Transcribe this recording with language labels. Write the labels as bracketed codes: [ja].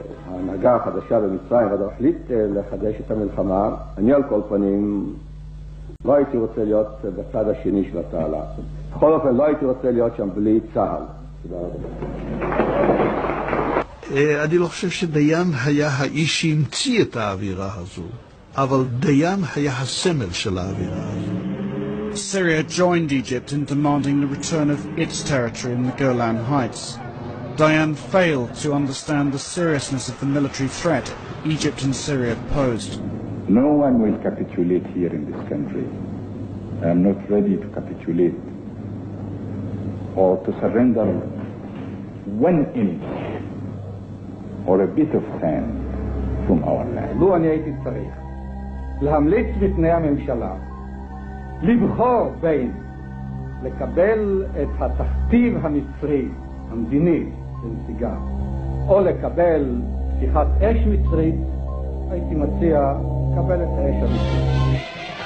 [he] ההנהגה החדשה במצרים עד החליט לחדש את המלחמה אני על כל פנים לא הייתי רוצה להיות בצד השני של התעלה בכל אופן לא הייתי רוצה להיות שם בלי צהל תודה רבה אני לא חושב שדיין היה האיש שהמציא את האווירה הזו אבל דיין היה הסמל של האווירה הזו [en] Syria joined Egypt in demanding the return of its territory in the Golan Heights. Diane failed to understand the seriousness of the military threat Egypt and Syria posed. No one will capitulate here in this country. I am not ready to capitulate or to surrender one inch or a bit of sand from our land. [he] לו אני הייתי צריך להמליץ בפני הממשלה לבחור בין לקבל את התכתיב המצרי המדיני לנסיגה, או לקבל פתיחת אש מצרית, הייתי מציע לקבל את האש המצרית.